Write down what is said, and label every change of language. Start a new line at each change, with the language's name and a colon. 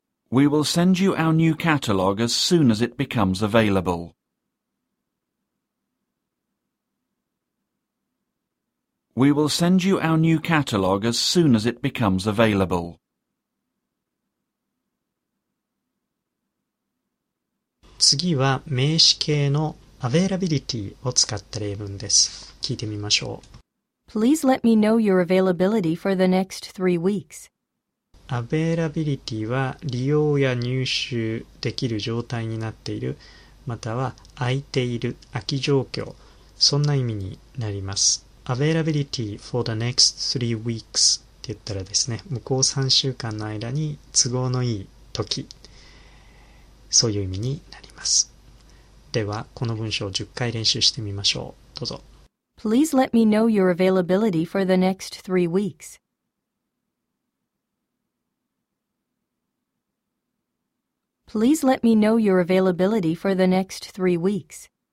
English: We will send you our new catalog as soon as it becomes available. We will send you our new catalog as soon as it becomes available.
Japanese: 次は名詞形の availability を使った例文です。聞いてみましょう。
English: Please let me know your availability for the next 3 weeks.
Japanese: Availability は利用や入手できる状態になっている、または空いている、空き状況、そんな意味になります。
English: Availability for the next 3 weeks
Japanese: って言ったらですね、向こう3週間の間に都合のいい時、そういう意味になります。では、この文章を10回練習してみましょう。どうぞ。
English: Please let me know your availability for the next 3 weeks. Please let me know your availability for the next 3 weeks.